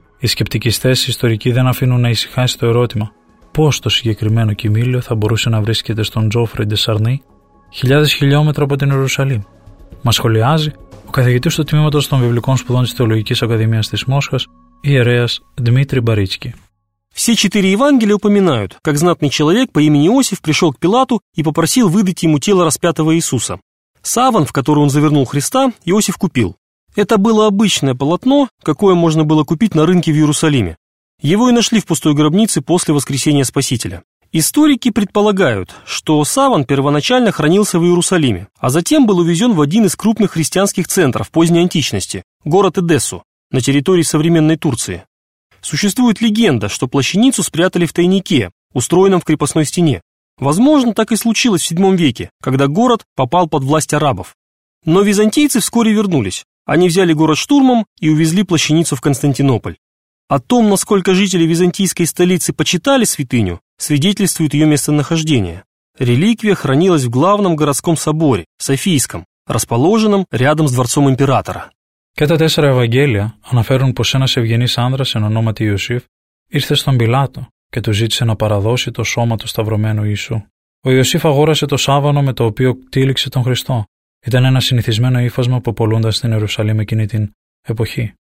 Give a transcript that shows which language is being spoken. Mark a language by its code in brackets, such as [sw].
[el] Οι σκεπτικιστές ιστορικοί δεν αφήνουν να ησυχάσει το ερώτημα πώς το συγκεκριμένο κοιμήλιο θα μπορούσε να βρίσκεται στον Τζόφρι Ντεσαρνί, 1000 χιλιόμετρα από την Ιερουσαλήμ. Μας σχολιάζει ο καθηγητής του τμήματος των βιβλικών σπουδών της Θεολογικής Ακαδημίας της Μόσχας, ιερέας Δημήτρη Μπαρίτσκι. [ru] Все четыре Евангелия упоминают, как знатный человек по имени Иосиф пришел к Пилату и попросил выдать ему тело распятого Иисуса. Саван, в который он завернул Христа, Иосиф купил. Это было обычное полотно, какое можно было купить на рынке в Иерусалиме. Его и нашли в пустой гробнице после воскресения Спасителя. Историки предполагают, что саван первоначально хранился в Иерусалиме, а затем был увезен в один из крупных христианских центров поздней античности, город Эдессу, на территории современной Турции. Существует легенда, что плащаницу спрятали в тайнике, устроенном в крепостной стене. Возможно, так и случилось в 7 веке, когда город попал под власть арабов. Но византийцы вскоре вернулись. Они взяли город штурмом и увезли плащаницу в Константинополь. О том, насколько жители византийской столицы почитали святыню, свидетельствует ее местонахождение. Реликвия хранилась в главном городском соборе, Софийском, расположенном рядом с дворцом императора. [el] Кета 4 [ru] Евангелия [el] αναφέρουν, πως ένας ευγενής άνδρας εν ονόματι Ιωσήφ ήρθε στον Πιλάτο και του ζήτησε να παραδώσει το σώμα του σταυρωμένου Ιησού. Ο Ιωσήφ αγόρασε το σάβανο με το οποίο κτήληξε τον Χριστό. Ήταν ένα συνηθισμένο ύφασμα που πολλούνταν στην Ιερουσαλήμ εκείνη την εποχή.